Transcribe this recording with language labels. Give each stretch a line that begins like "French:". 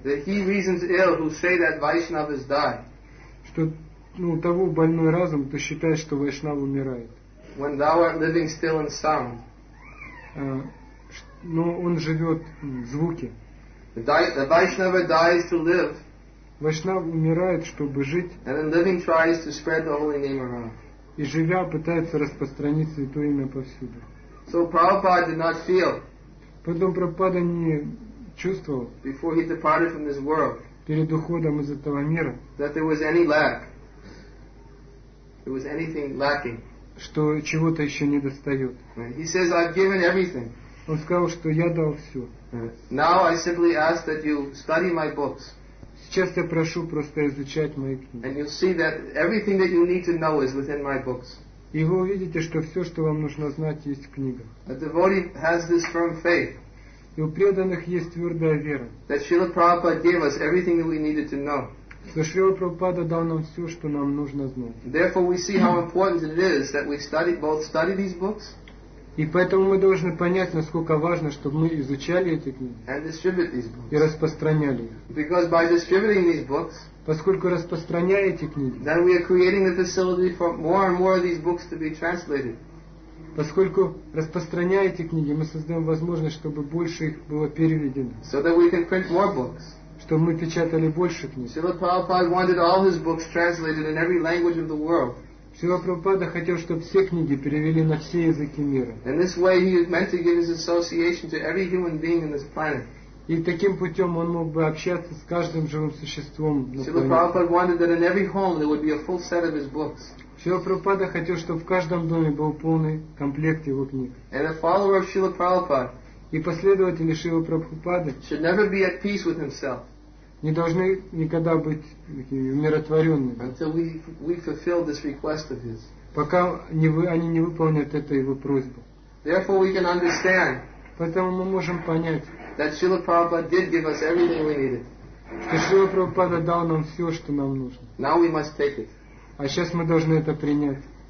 English: That he reasons ill who say that Vaishnavas die.
Russian: Что у того больной разум, кто считает, что Вайшнава умирает.
English: When thou art living still in sound.
Russian: Но он живет в звуке.
English: The Vaishnava dies to live.
Russian: Vaishnava умирает, чтобы жить.
English: And then living tries to spread the holy name around.
Russian: И живя, пытается распространить святое имя повсюду.
English: So Prabhupada did not feel.
Russian: Потом Прабхупада не чувствовал.
English: Before he departed from this world.
Russian: Перед уходом из этого мира.
English: That there was any lack. There was anything lacking.
Russian: Что чего-то еще не достает.
English: He says, I've given everything.
Russian: Он сказал, что я дал все.
English: Now I simply ask that you study my books.
Russian: Сейчас я прошу просто изучать мои книги.
English: And you'll see that everything that you need to know is within my books.
Russian: И вы увидите, что все, что вам нужно знать, есть в книгах.
English: A devotee has this firm faith.
Russian: И у преданных есть твердая вера.
English: That Srila Prabhupada gave us everything that we needed to know.
Russian: Что Шрила Прабхупада дал нам все, что нам нужно знать.
English: Therefore we see how important it is that we study, both study these books.
Russian: И поэтому мы должны понять, насколько важно, чтобы мы изучали эти книги и распространяли их.
English: Because by distributing these books,
Russian: поскольку распространяя эти книги,
English: then we are creating the facility for more and more of these books to be translated.
Russian: Поскольку распространяя эти книги, мы создаем возможность, чтобы больше их было переведено.
English: So that we can print more books.
Russian: Чтобы мы печатали больше книг.
English: Srila Prabhupada wanted all his books translated in every language of the world.
Russian: Шрила Прабхупада хотел, чтобы все книги перевели на все языки мира.
English: In this way he meant to give his association to every human being on this planet.
Russian: И таким путем он мог бы общаться с каждым живым существом на планете.
English: Srila Prabhupada wanted that in every home there would be a full set of his books.
Russian: Шрила Прабхупада хотел, чтобы в каждом доме был полный комплект его книг.
English: And a follower of Srila Prabhupada,
Russian: и последователи Шрилы Прабхупады
English: should never be at peace with himself.
Russian: Не должны никогда быть умиротворенными.
English: Until we fulfill this request of his.
Russian: Пока они не выполнят эту его просьбу.
English: Therefore we can understand.
Russian: Поэтому мы можем понять.
English: That Srila Prabhupada did give us everything we needed.
Russian: Что Шрила Прабхупада дал нам все, что нам нужно.
English: Now we must take it.
Russian: А сейчас мы должны это принять.